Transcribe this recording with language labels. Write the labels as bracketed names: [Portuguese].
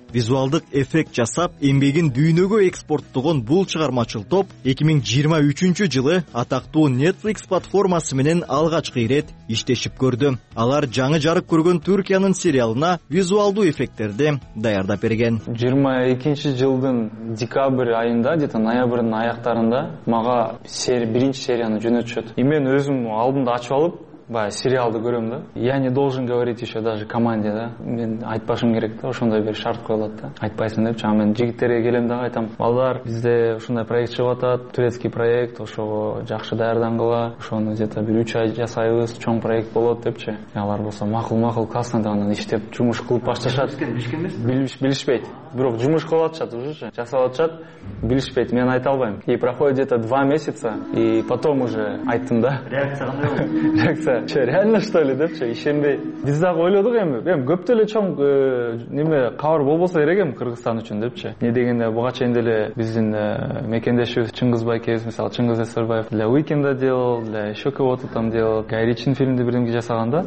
[Kyrgyz] Визуалдык эффект жасап, эмгегин дүйнөгө экспорттогон бул чыгармачыл топ 2023 жылы атактуу Netflix платформасы менен алгачкы ирет иштешип көрдү. Алар жаңы жарык көргөн Түркиянын сериалына визуалдуу эффектерди даярдап берген. 22 жылдын декабрь айында, [Russian] где-то [Kyrgyz] ноябрдын аяктарында мага биринчи серияны жөнөтүшөт. И мен өзүм алдымда ачып алып баягы сериалды көрөм да. [Russian] Я не должен говорить еще даже команде, да. [Kyrgyz] Мен айтпашым керек да, ошондой бир шарт коюлат да. Айтпайсың депчи, а мен жигиттерге келем дагы айтам. Балдар, бизде ушундай проект чыгып атат, [Russian] турецкий проект, [Kyrgyz] ошого жакшы даярдангыла, ошону [Russian] где-то [Kyrgyz] бир 3 ай жасайбыз, чоң проект болот депчи. Алар болсо макул-макул, классно деп анан иштеп жумуш кылып башташат. Билишпейт. Бирок жумуш кылып атышат ужечи. Жасап атышат, билишпейт. Мен айта албайм. [Russian] И проходит где-то 2 месяца, и потом уже [Kyrgyz] айттым да. Реакция кандай [Russian] болду? Че, реально что ли депчи? [Kyrgyz] Ишенбей. Биз дагы ойлодук эми көптө эле чоң неме кабар болбосо керек эми Кыргызстан үчүн депчи. Эмне дегенде буга чейин деле биздин мекендешибиз Чыңгыз байкебиз, мисалы Чыңгыз Эсербаев [Russian] для Уикенда делал, для еще кого-то там делал, [Kyrgyz] Гай Ричинин фильмди биримге жасаган да.